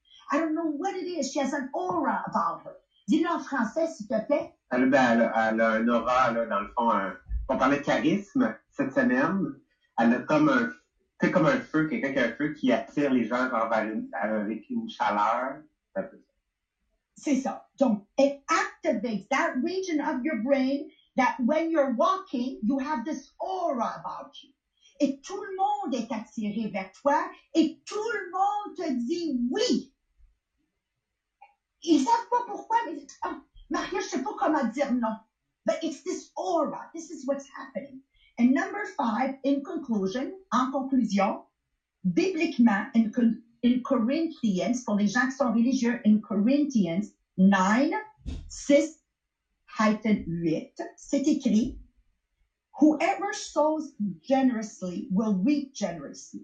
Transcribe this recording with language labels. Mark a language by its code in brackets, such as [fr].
[en] I don't know what it is, she has an aura about her. [fr] Dis-le en français, s'il te plaît. Elle a un aura, là, dans le fond, on parlait de charisme cette semaine. Elle a comme un feu, quelqu'un qui a un feu qui attire les gens avec une chaleur. C'est ça. [en] Donc, it activates that region of your brain that when you're walking, you have this aura about you. [fr] Et tout le monde est attiré vers toi et tout le monde te dit oui. Ils ne savent pas pourquoi, mais Maria, je ne sais pas comment dire non. [en] But it's this aura. This is what's happening. And number five, [fr] en conclusion, bibliquement, [en] in Corinthians, [fr] pour les gens qui sont religieux, [en] in Corinthians, 9:6-8, [fr] c'est écrit, [en] whoever sows generously will reap generously.